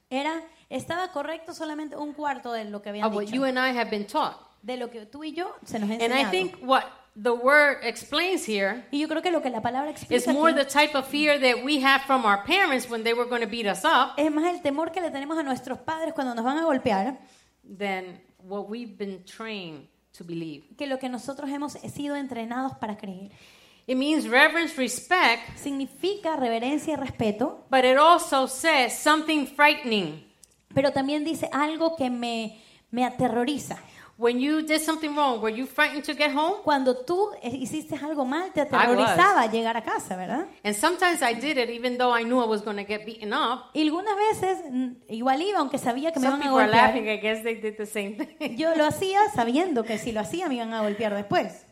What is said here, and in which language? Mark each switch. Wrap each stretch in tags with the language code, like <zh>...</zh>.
<es>Era estaba correcto solamente un cuarto de lo que habían dicho.</es> <en>What you and I have been taught.</en> <es>De lo que tú y yo se nos enseñaron.</es> <en>And I think what the word explains here.</en> <es>Y yo creo que lo que la palabra explica</es> <en>is more the type of fear that we have from our parents when they were going to beat us up.</en> <es>Es más el temor que le tenemos a nuestros padres cuando nos van a golpear.</es> <en>Than what we've been trained to believe.</en> <es>Que lo que nosotros hemos sido entrenados para creer.</es> <en>It means reverence, respect.</en> <es>Significa reverencia y respeto.</es> <en>But it also says something frightening.</en> <es>Pero también dice algo que me aterroriza.</es> <en>When you did something wrong, were you frightened to get home?</en> <es>Cuando tú hiciste algo mal, te aterrorizaba llegar a casa, ¿verdad?</es> <en>And sometimes I did it even though I knew I was going to get beaten up.</en> <es>Y algunas veces igual iba aunque sabía que me iban a golpear.</es> <en>Some people are laughing. I guess they did the same thing.</en> <es>Yo lo hacía sabiendo que si lo hacía me iban a golpear después.</es>